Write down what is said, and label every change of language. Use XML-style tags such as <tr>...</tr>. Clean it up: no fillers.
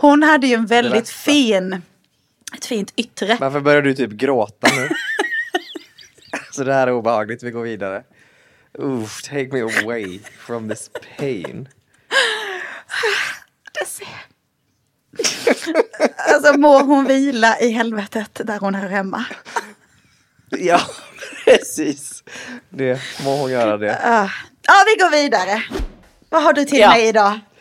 <sv>Hon hade ju en väldigt fint yttre. Varför börjar du typ gråta nu? Alltså det här är obehagligt, vi går vidare.</sv> <en>Oof, take me away from this pain. Desi.</en> <sv>Alltså må hon vila i helvetet där hon är hemma. Ja, precis. Det må hon göra det. Ja, vi går vidare. Vad har du till mig idag?</sv>